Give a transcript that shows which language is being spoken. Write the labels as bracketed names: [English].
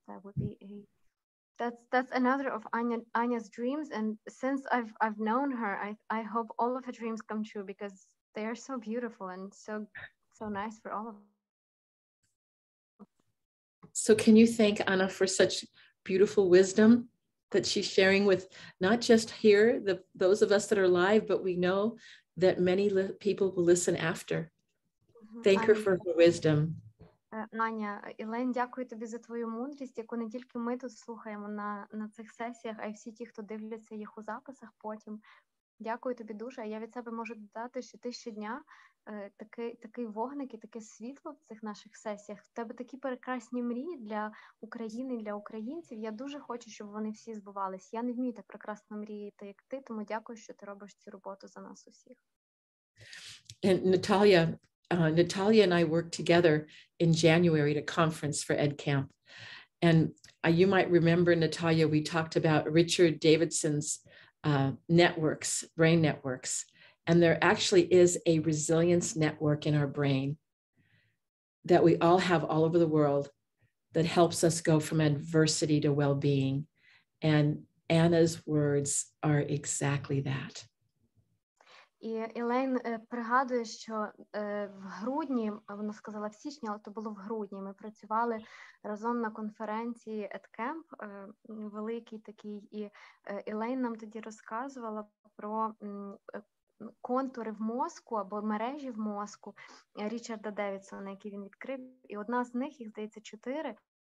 [English] That would be that's another of Anya's dreams, and since I've known her, I hope all of her dreams come true, because they are so beautiful and so nice for all of us. So can you thank Anna for such beautiful wisdom that she's sharing with not just here, the those of us that are live, but we know that many people will listen after. Thank her for her wisdom. [Ukrainian] Аня, Елен, дякую тобі за твою мудрість, яку не тільки ми тут слухаємо на цих сесіях, а й всі ті, хто дивляться їх у записах потім. Дякую тобі дуже. А я від себе можу додати, що ти щодня такий вогник і таке світло в цих наших сесіях. В тебе такі прекрасні мрії для України, для українців. Я дуже хочу, щоб вони всі збувались. Я не вмію так прекрасно мріяти, як ти, тому дякую, що ти робиш цю роботу за нас усіх. [English] Наталія, Наталія and I worked together in January at a conference for EdCamp. And you might remember, Наталія, we talked about Richard Davidson's networks, brain networks. And there actually is a resilience network in our brain that we all have all over the world that helps us go from adversity to well-being. And Anna's words are exactly that. [Ukrainian] І Елен пригадує, що в грудні, вона сказала в січні, але то було в грудні, ми працювали разом на конференції EdCamp, великий такий, і Елен нам тоді розказувала про контури в мозку або мережі в мозку Річарда Девідсона, які він відкрив, і одна з них, їх здається, 4,